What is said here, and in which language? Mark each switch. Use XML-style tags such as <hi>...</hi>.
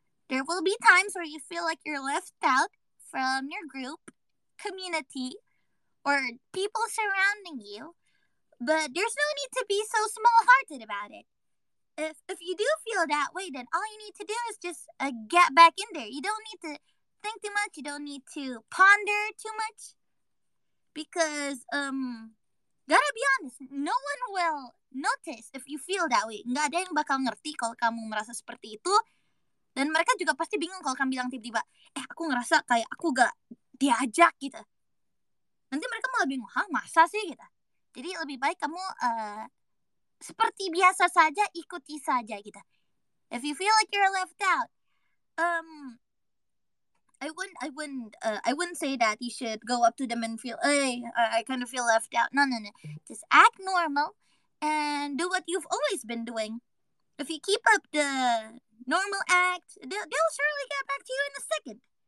<en>There will be times where you feel like you're left out from your group, community, or people surrounding you, but there's no need to be so small-hearted about it. If you do feel that way, then all you need to do is just get back in there. You don't need to think too much. You don't need to ponder too much. Because, gotta be honest, no one will notice if you feel that way.</en> <id>Nggak ada yang bakal ngerti kalau kamu merasa seperti itu. Dan mereka juga pasti bingung kalau kamu bilang tiba-tiba, aku ngerasa kayak aku gak diajak gitu. Nanti mereka malah bingung, hah masa sih gitu. Jadi lebih baik kamu seperti biasa saja, ikuti saja gitu.</id> <en>If you feel like you're left out, I wouldn't say that you should go up to them and feel, I kind of feel left out. No. Just act normal and do what you've always been doing. If you keep up the normal act, they'll surely get back to you in a second.</en>